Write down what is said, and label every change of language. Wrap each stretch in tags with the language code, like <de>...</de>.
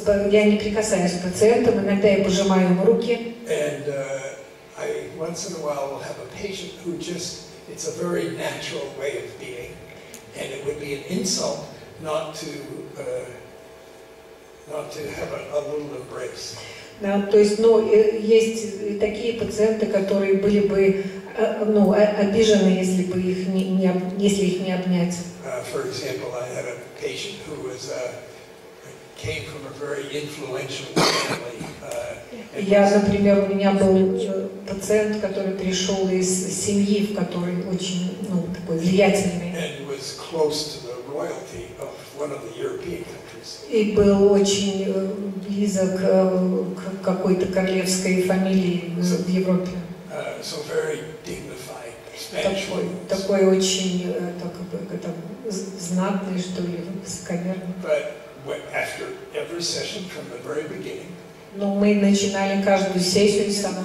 <ru>Я не прикасаюсь к пациентам, иногда я пожимаю им руки.</ru> <en>And I once in a while will have a patient who just it's a very natural way of being, and it would be an insult not to have a little embrace.</en> <ru>Есть такие пациенты, которые были бы обижены, если бы их не обнять.</ru> <en>For example, I had a patient who was came from a very influential family.</en> <ru>Я, например, у меня был пациент, который пришел из семьи, в которой очень такой влиятельный.</ru> <en>And was close to the royalty of one of the European countries.</en> <ru>И был очень близок к какой-то королевской фамилии в Европе.</ru> <en>So very dignified Spanish.</en> <ru>Такой очень знатный, что ли, высокомерный.</ru> <en>But after every session from the very beginning.</en> <ru>Но мы начинали каждую сессию с самого</ru>